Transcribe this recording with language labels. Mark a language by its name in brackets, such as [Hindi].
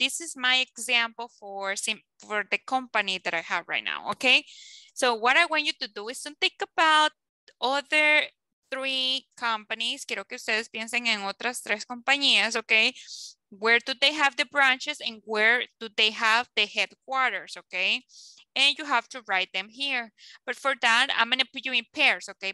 [English] This is my example for the company that I have right now, okay? So what I want you to do is to think about other three companies. [Spanish] Quiero que ustedes piensen en otras tres compañías, okay? [English] Where do they have the branches and where do they have the headquarters, okay? And you have to write them here. But for that, I'm going to put you in pairs, okay?